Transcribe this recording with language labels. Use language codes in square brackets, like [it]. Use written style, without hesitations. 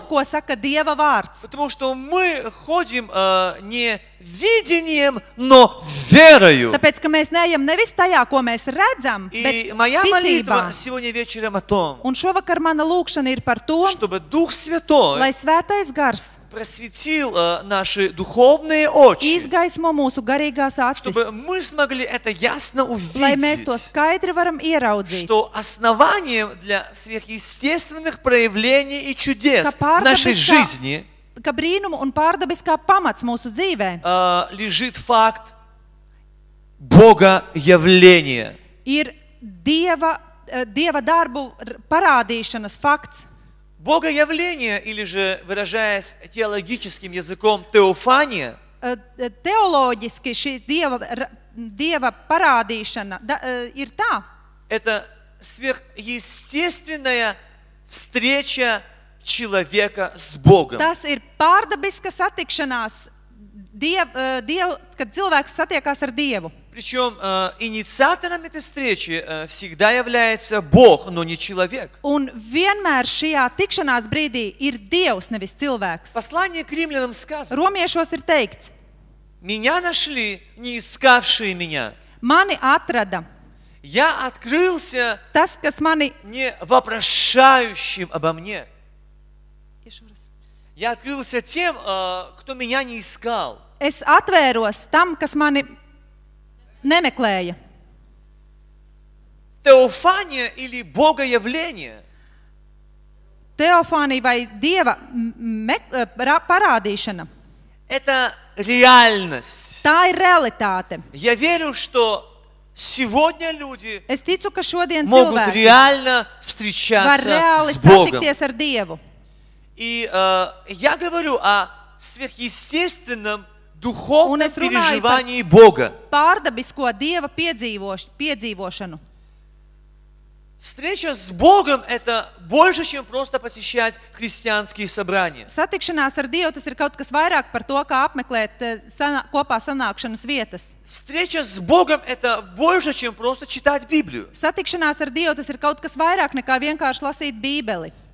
[lv] Uz to, ko saka Dieva vārds. [ru] Потому что мы ходим не видением, но верою. [lv] Tāpēc, ka mēs neejam nevis tajā, ko mēs redzam, [ru] и [lv] bet ticībā. [ru] И моя молитва сегодня вечером о том, [lv] un šovakar mana lūkšana ir par to, [ru] чтобы Дух Святой, [lv] lai Svētais Gars [ru] просветил наши духовные очи, [lv] izgaismo mūsu garīgās acis, [ru] чтобы мы смогли это ясно увидеть, [lv] lai mēs to skaidri varam ieraudzīt, [ru] что основанием для сверхъестественных проявлений и чудес в нашей жизни [lv] ka brīnumu un pārdabiskā pamats mūsu dzīvē [ru] lежит факт Бога явления. [lv] Ir Dieva, Dieva darbu parādīšanas fakts. [ru] Бога явления, или же выражаясь теологическим языком теофания, [lv] teoloģiski šī Dieva, Dieva parādīšana ir tā. [ru] Это сверхъестественная встреча человека с Богом. [lv] Tas ir pārdabiska satikšanās Dieva, Dieva, kad cilvēks satiekās ar Dievu. [ru] Причём инициатором этой встречи всегда является Бог, но не человек. [lv] Un vienmēr šajā tikšanās brīdī ir Dievs, nevis cilvēks. [ru] Послание к римлянам сказано. [lv] Romiešos ir teikts. [ru] Меня нашли не искавшие меня. [lv] Mani atrada. [ru] Я открылся. [lv] Tas, kas mani [ru] не вопрошающим обо мне. Я открылся тем, кто меня не искал. [lv] Es atvēros tam, kas mani nemeklēja. [ru] Теофания или Богоявление? [lv] Теофания vai Dieva parādīšana? [ru] Это реальность. [lv] Tā ir realitāte. [ru] Я верю, что сегодня люди [lv] Es ticu, ka šodien [ru] могут [lv] cilvēki [ru] реально встречаться [lv] var reāli [ru] с Богом. [lv] Satikties ar Dievu. [ru] И я говорю о сверхъестественном духовном переживании Бога. [lv] Pārdabisko Dieva piedzīvošanu. [ru] Встреча с Богом это больше, чем просто посещать христианские собрания. [lv] Satikšanās ar Dievu tas ir kaut kas vairāk par to, kā apmeklēt kopā sanākšanas vietas. [ru] Встреча с Богом это больше, чем просто читать Библию. [lv] Satikšanās ar Dievu tas ir kaut kas vairāk nekā vienkārši lasīt Bībeli.